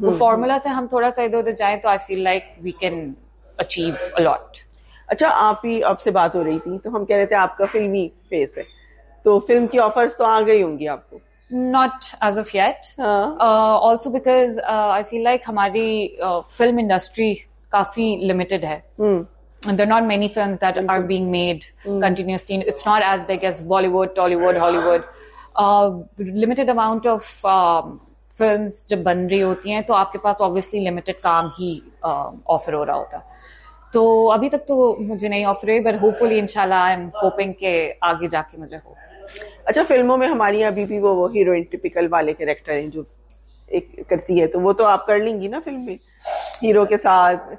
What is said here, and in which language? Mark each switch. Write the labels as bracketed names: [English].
[Urdu] وہ فارمولا سے ہم تھوڑا سا ادھر ادھر جائیں تو [English] I feel like we can achieve a lot. [Urdu] اچھا آپ ہی آپ سے بات ہو رہی تھی تو ہم کہہ رہے تھے آپ کا فلمی فیس ہے تو فلم کی آفرز تو آ گئی ہوں گی آپ کو؟ [English] Not as of yet. Also because I feel like [Urdu] ہماری فلم انڈسٹری کافی لمیٹڈ ہے. [English] There are not many films that are being made continuously. It's not as big as Bollywood, Tollywood, Hollywood. Limited amount of films [Urdu] جب بن رہی ہوتی ہیں تو آپ کے پاس obviously limited کام ہی offer ہو رہا ہوتا, تو ابھی تک تو مجھے نہیں آفر ہوئی, [English] but hopefully [Urdu] ان شاء اللہ [English] I am hoping [Urdu] کہ آگے جا کے مجھے ہو. اچھا فلموں میں ہماری ابھی بھی وہ ہیروئن ٹپیکل والے کریکٹر ہیں جو ایک کرتی ہے, تو وہ تو آپ کر لیں گی نا فلم میں ہیرو کے ساتھ؟